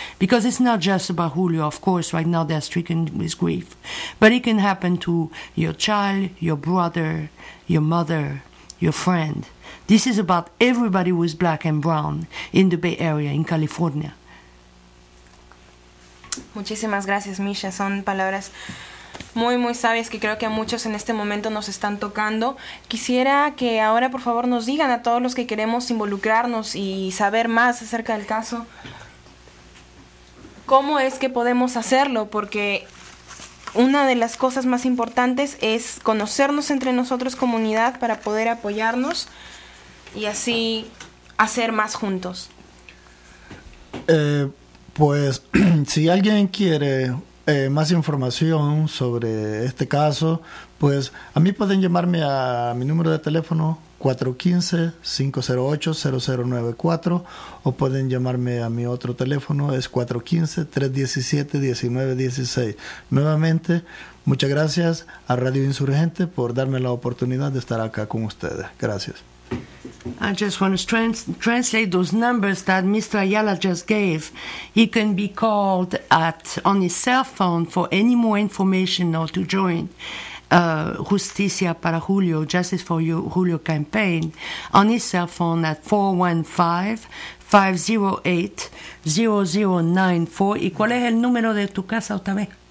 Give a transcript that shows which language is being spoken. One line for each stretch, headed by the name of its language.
English: Because it's not just about Julio, of course. Right now they're stricken with grief. But it can happen to your child, your brother, your mother, your friend. This is about everybody who is black and brown in the Bay Area, in California.
Spanish: Muchísimas gracias, Misha. Son palabras muy, muy sabias que creo que a muchos en este momento nos están tocando. Quisiera que ahora, por favor, nos digan a todos los que queremos involucrarnos y saber más acerca del caso, ¿cómo es que podemos hacerlo? Porque una de las cosas más importantes es conocernos entre nosotros, comunidad, para poder apoyarnos y así hacer más juntos. Pues, si alguien quiere más información sobre este caso, pues a mí pueden llamarme a mi número de teléfono 415-508-0094, o pueden llamarme a mi otro teléfono, es 415-317-1916. Nuevamente, muchas gracias a Radio Insurgente por darme la oportunidad de estar acá con ustedes. Gracias.
English: I just want to translate those numbers that Mr. Ayala just gave. He can be called at on his cell phone for any more information or to join Justicia para Julio, Justice for Julio campaign, on his cell phone at 415-508-0094.
Spanish: ¿Y cuál es el número de tu casa otra vez?